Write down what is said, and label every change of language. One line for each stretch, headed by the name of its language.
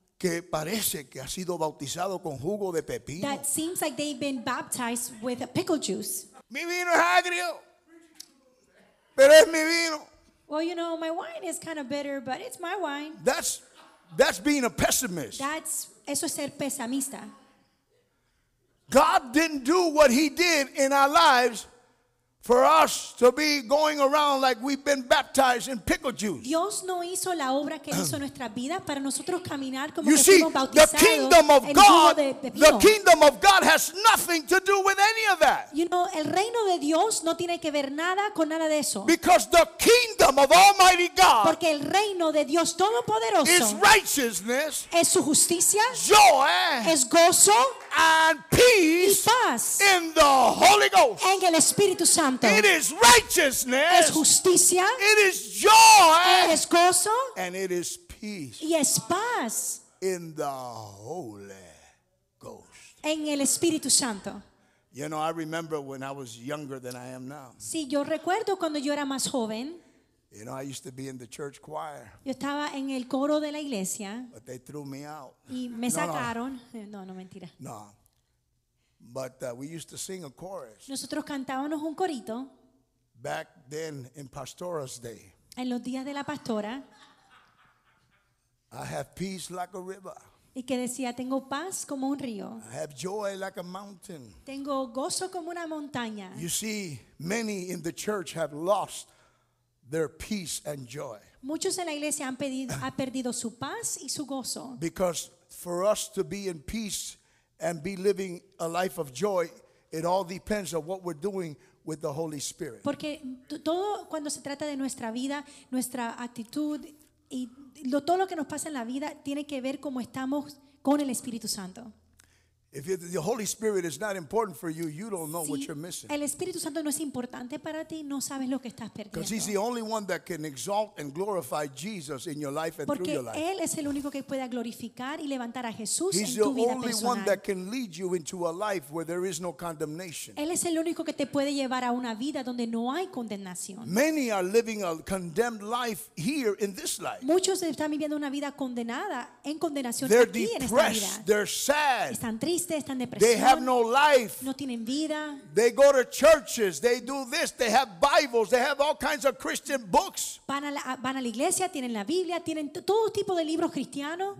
Spanish: Que parece que ha sido bautizado con jugo de pepino.
English: That seems like they've been baptized with a pickle juice.
Spanish: Mi vino es agrio. Pero es mi vino.
English: Well, you know, my wine is kind of bitter, but it's my wine. That's being a pessimist. That's
Spanish: eso es ser pesimista.
English: God didn't do what he did in our lives for us to be going around like we've been baptized in pickle juice.
Spanish: Dios no hizo la obra que hizo nuestra vida para nosotros caminar como que fuimos bautizados en jugo de pepino.
English: The kingdom of God, the kingdom of God has nothing to do with any of that. You know,
Spanish: el reino de Dios no tiene que ver nada con nada de eso.
English: Because the kingdom of Almighty God,
Spanish: porque el reino de Dios todopoderoso,
English: is righteousness,
Spanish: es su justicia,
English: joy,
Spanish: es gozo,
English: and peace,
Spanish: y paz,
English: in the Holy Ghost,
Spanish: en el Espíritu Santo.
English: It is righteousness.
Spanish: Es justicia.
English: It is joy.
Spanish: Es gozo.
English: And it is peace.
Spanish: Y es paz.
English: In the Holy Ghost.
Spanish: En el Espíritu Santo.
English: You know, I remember when I was younger than I am now.
Spanish: Sí, yo recuerdo cuando yo era más joven.
English: You know, I used to be in the church choir.
Spanish: Yo estaba en el coro de la iglesia.
English: But they threw me out.
Spanish: Y me sacaron. No, mentira.
English: No. But we used to sing a chorus.
Spanish: Nosotros cantábamos un corito.
English: Back then in Pastora's day.
Spanish: En los días de la pastora.
English: I have peace like a river.
Spanish: Y que decía, tengo paz como un río.
English: I have joy like a mountain.
Spanish: Tengo gozo como una montaña.
English: You see, many in the church have lost their peace and joy.
Spanish: Muchos en la iglesia han perdido su paz y su gozo.
English: Because for us to be in peace and be living a life of joy, it all depends on what we're doing with the Holy Spirit.
Spanish: Porque todo cuando se trata de nuestra vida, nuestra actitud y todo lo que nos pasa en la vida tiene que ver cómo estamos con el Espíritu Santo.
English: If the Holy Spirit is not important for you, you don't know
Spanish: si
English: what you're missing.
Spanish: El Espíritu Santo no es importante para ti, no sabes lo que estás perdiendo.
English: Because he's the only one that can exalt and glorify Jesus in your life and
Spanish: Porque
English: through your life.
Spanish: Porque él es el único que puede glorificar y levantar a Jesús
English: he's
Spanish: en tu vida personal.
English: He's the only one that can lead you into a life where there is no condemnation.
Spanish: Él es el único que te puede llevar a una vida donde no hay condenación.
English: Many are living a condemned life here in this life.
Spanish: Muchos están viviendo una vida condenada en condenación
English: they're
Spanish: aquí
English: depressed,
Spanish: en esta
English: They're sad.
Spanish: Están tristes.
English: They have no life.
Spanish: No tienen vida.
English: They go to churches. They do this. They have Bibles. They have all kinds of Christian books.
Spanish: Van a la iglesia, tienen la Biblia, tienen todo tipo de libros cristianos.